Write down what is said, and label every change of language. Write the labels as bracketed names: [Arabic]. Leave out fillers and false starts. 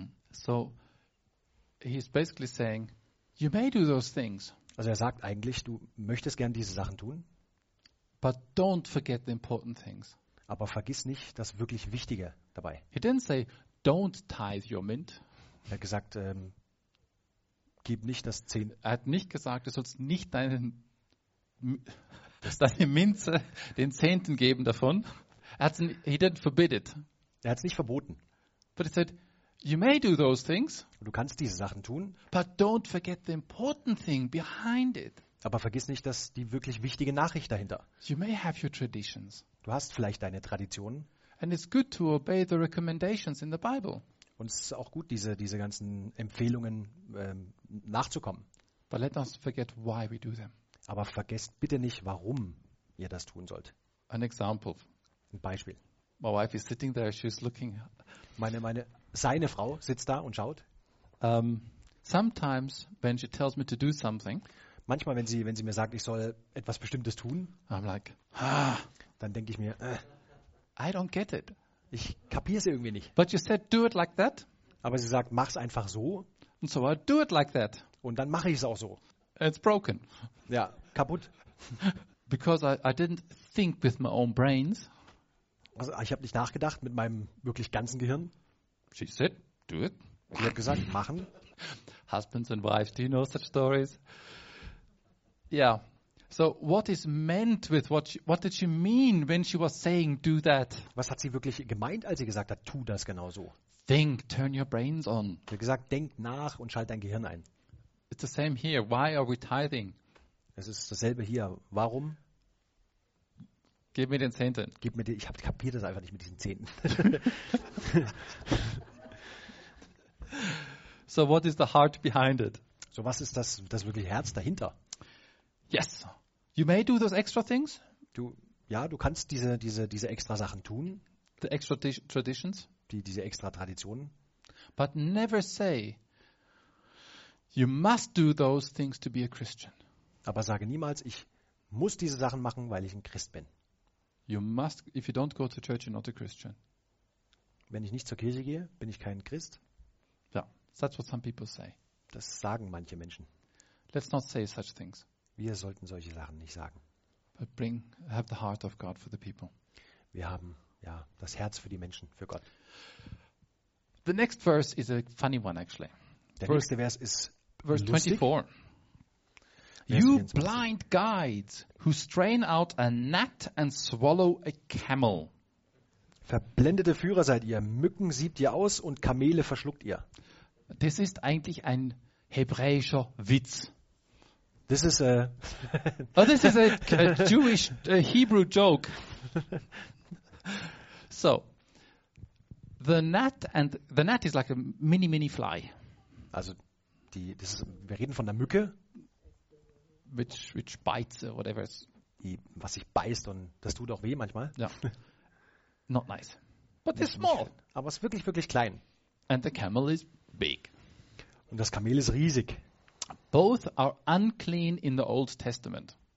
[English] So, he's basically saying, you may do those things. [German] Also er sagt eigentlich, du möchtest gern diese Sachen tun. [English] But don't forget the important things. [German] Aber vergiss nicht das wirklich Wichtige dabei. [English] He didn't say, don't tithe your mint. [German] Er hat gesagt, gib nicht das Zehn. Er hat nicht gesagt, du sollst nicht deine Minze, den Zehnten geben davon. [English] He didn't forbid it. [German] Er hat es nicht verboten. [English] But he said, you may do those things. [German] Du kannst diese Sachen tun. [English] But don't forget the important thing behind it. [German] Aber vergiss nicht, dass die wirklich wichtige Nachricht dahinter. [English] You may have your traditions. [German] Du hast vielleicht deine Traditionen. [English] And it's good to obey the recommendations in the Bible. [German] Und es ist auch gut, diese ganzen Empfehlungen nachzukommen. [English] But let us forget why we do them. [German] Aber vergesst bitte nicht, warum ihr das tun sollt. [English] An example. [German] Ein Beispiel. [English] My wife is sitting there, she's looking. [German] Seine Frau sitzt da und schaut. [English] Sometimes when she tells me to do something. [German] Manchmal, wenn sie mir sagt, ich soll etwas Bestimmtes tun, [English] I'm like, [German] dann denke ich mir, [English] I don't get it. [German] Ich kapiere es irgendwie nicht. [English] But you said, do it like that. [German] Aber sie sagt, mach's einfach so. [English] And so I do it like that. [German] Und dann mache ich es auch so. [English] It's broken. [German] Ja, kaputt. [English] Because I didn't think with my own brains. [German] Also ich habe nicht nachgedacht mit meinem wirklich ganzen Gehirn. [English] She said, do it. [German] Sie hat gesagt, machen. [English] Husbands and wives, do you know such stories? Yeah. So what is meant with what did she mean when she was saying do that? [German] Was hat sie wirklich gemeint, als sie gesagt hat, tu das genauso? [English] Think, turn your brains on. [German] Sie hat gesagt, denk nach und schalt dein Gehirn ein. [English] It's the same here. Why are we tithing? [German] Es ist dasselbe hier. Warum? Gib mir den Zehnten. Gib mir ich kapiere das einfach nicht mit diesen Zehnten. [English] So what is the heart behind it? [German] So was ist das wirklich Herz dahinter? [English] Yes. You may do those extra things? [German] Du kannst diese extra Sachen tun. [English] The extra traditions? [German] Diese extra Traditionen. [English] But never say you must do those things to be a Christian. [German] Aber sage niemals, ich muss diese Sachen machen, weil ich ein Christ bin. [English] You must if you don't go to church you're not a Christian. [German] Wenn ich nicht zur Kirche gehe, bin ich kein Christ. [English] Yeah, that's what some people say. [German] Das sagen manche Menschen. [English] Let's not say such things. [German] Wir sollten solche Sachen nicht sagen. [English] But bring have the heart of God for the people. [German] Wir haben ja das Herz für die Menschen, für Gott. [English] The next verse is a funny one actually. [German] Der nächste Vers ist [English] verse 24. You blind guides who strain out a gnat and swallow a camel. [German] Verblendete Führer seid ihr, Mücken siebt ihr aus und Kamele verschluckt ihr. Das ist eigentlich ein hebräischer Witz. [English] This is a oh, this is a Jewish a Hebrew joke. So, the gnat is like a mini mini fly. [German] Also wir reden von der Mücke, [English] which bites or whatever. [German] Was sich beißt und das tut auch weh manchmal. Ja. [English] Not nice. But it's small. [German] Aber es ist wirklich wirklich klein. [English] And the camel is big. [German] Und das Kamel ist riesig. [English] Both are unclean in the Old Testament.